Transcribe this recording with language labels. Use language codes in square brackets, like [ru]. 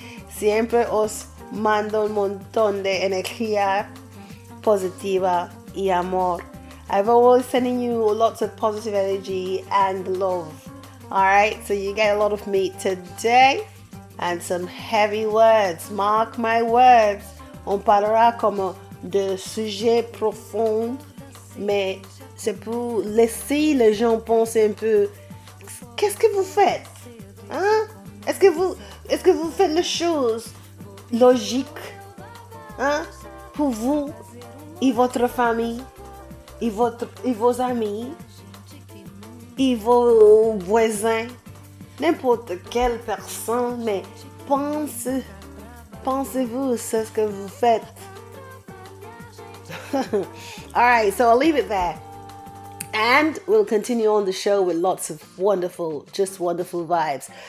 [es] Siempre os mando un montón de energía positiva y amor. [en] I've always sending you lots of positive energy and love. All right, so you get a lot of me today. And some heavy words, mark my words. [fr] On parlera comme de sujets profonds, mais c'est pour laisser les gens penser un peu. Qu'est-ce que vous faites? Hein? Est-ce que vous faites les choses logiques? Hein? Pour vous et votre famille, et vos amis, et vos voisins, n'importe quelle personne, mais pensez-vous ce que vous faites. [en] Alright, so I'll leave it there. And we'll continue on the show with lots of wonderful, just wonderful vibes.